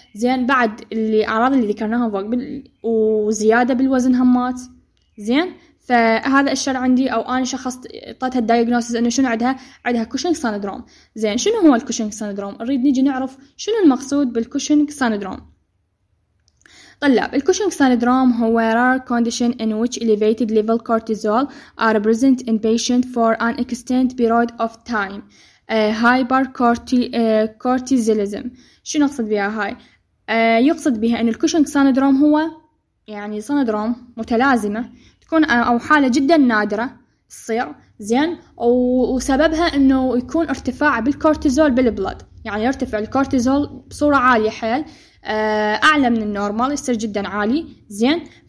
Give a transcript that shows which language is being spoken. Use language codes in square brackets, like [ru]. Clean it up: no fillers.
[ar] زين بعد الاعراض اللي ذكرناهم فوق وزيادة بالوزن همات. زين فهذا الشر عندي او انا شخصت اعطيتها الدايجنوستس انه شنو عندها، عندها كوشينج سيندروم. زين شنو هو الكوشينج سيندروم؟ نريد نيجي نعرف شنو المقصود بالكوشينج سيندروم. طلاب الكوشنج سيندروم هو [en] rare condition in which elevated level cortisol are present in patient for an extended period of time. Hypercortisolism. [ar] شو نقصد بها هاي؟ يقصد بها أن الكوشنج سيندروم هو يعني سيندروم متلازمة تكون أو حالة جدا نادرة تصير زين، وسببها أنه يكون ارتفاع بالكورتيزول بالبلد، يعني يرتفع الكورتيزول بصورة عالية حيل، أعلى من النورمال، يصير جدا عالي زين.